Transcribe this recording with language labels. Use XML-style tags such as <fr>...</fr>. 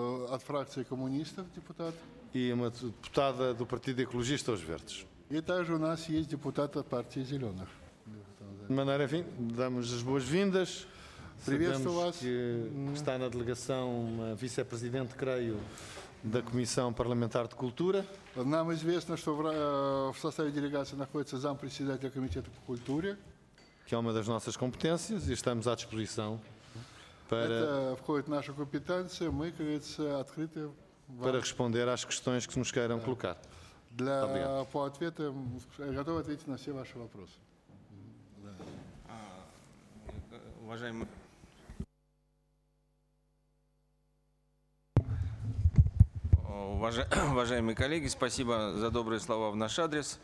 <ru>От фракции коммунистов депутат.</ru> <pt>E uma deputada do Partido Ecologista Os Verdes.</pt> <ru>И также у нас есть депутат от партии зеленых.</ru> <pt>De maneira, enfim, damos as boas-vindas.</pt> <ru>Приветствую вас.</ru> <pt>Que está na delegação uma vice-presidente, creio, da Comissão Parlamentar de Cultura.</pt> <ru>Нам известно, что в составе делегации находится зампредседателя комитета по культуре.</ru> <pt>Que é uma das nossas competências e estamos à disposição para...</pt> <ru>Это входит в нашу компетенцию, мы, как говорится, открыты...</ru> <pt>Para responder às questões que nos queiram colocar.</pt> <ru>Для... Obrigado. По ответу, готов ответить на все ваши вопросы. Уважаемый... Уважаемые коллеги, спасибо за добрые слова в наш адрес.</ru>